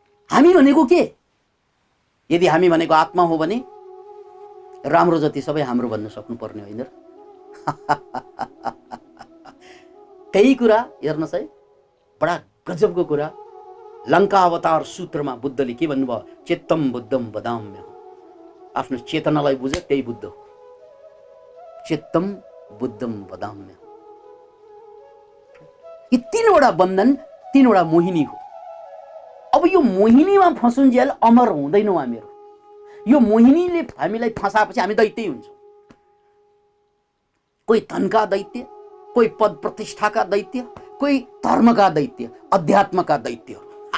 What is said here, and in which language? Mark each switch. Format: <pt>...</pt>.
<ne>हामी भनेको के यदि हामी भनेको आत्मा हो भने राम्रो जति सबै हाम्रो भन्न सक्नुपर्ने होइन र त्यही कुरा हेर्नुहोस् है बडा गजबको कुरा लङ्का अवतार सूत्रमा बुद्धले के भन्नुभयो</ne> <sa>चेतम बुद्धम बदाम्य</sa> <ne>आफ्नो चेतनालाई बुझ त्यही बुद्ध हो</ne> <sa>चित्तम बुद्धम वदाम्यहम्।</sa> <ne>ये तीनवटा बन्धन तीनवटा मोहिनी हो। अब यो मोहिनीमा फसुन्जेल अमर हुँदैनौ हामीहरु। यो मोहिनीले हामीलाई फसाएपछि हामी दैत्यै हुन्छौँ। कोही धनका दैत्य, कोही पद प्रतिष्ठाका दैत्य, कोही धर्मका दैत्य, अध्यात्मका दैत्य हो।</ne>